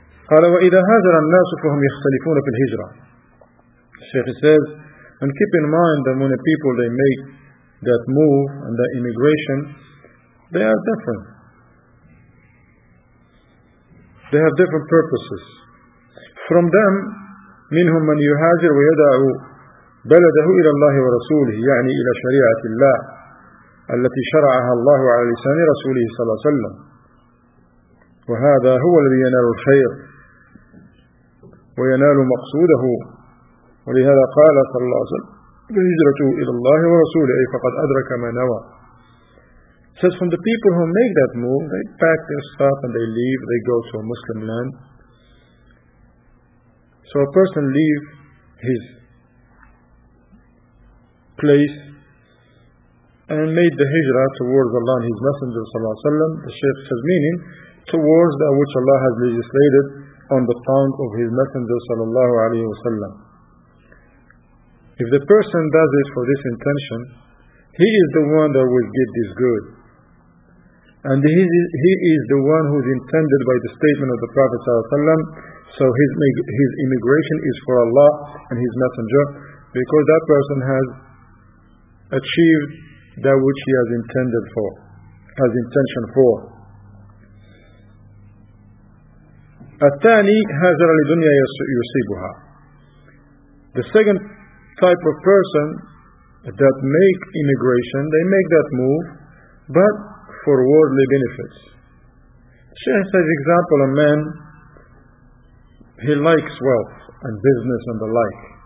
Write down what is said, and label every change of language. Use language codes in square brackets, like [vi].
[ar] قَالَ وَإِذَا هَاجَرَ النَّاسُ فَهُمْ يَخْتَلِفُونَ فِي الْهِجْرَةِ [en] Shaykh says, and keep in mind that when the people they make that move and that immigration, they are different. They have different purposes. From them, [ar] منهم من يهاجر ويدع بلده إلى الله ورسوله يعني إلى شريعة الله التي شرعها الله على لسان رسوله صلى الله عليه وسلم وهذا هو الذي ينال الخير وينال مقصوده ولهذا قال صلى الله عليه وسلم هجرته إلى الله ورسوله أي فقد أدرك ما نوى. [en] Says from the people who make that move, they pack their stuff and they leave, they go to a Muslim land. So a person leaves his place and made the hijrah towards Allah and His Messenger Sallallahu Alaihi Wasallam. The Shaykh says meaning towards that which Allah has legislated on the tongue of His Messenger Sallallahu Alaihi Wasallam. If the person does it for this intention, he is the one that will get this good. And he is the one who is intended by the statement of the Prophet Sallallahu Alaihi Wasallam. So his immigration is for Allah and His Messenger, because that person has achieved that which he has intended for, has intention for. [ar] الثاني هاجر لدنيا يصيبها. [en] The second type of person that make immigration, they make that move, but for worldly benefits. Shaykh says, example, a man, he likes wealth and business and the like.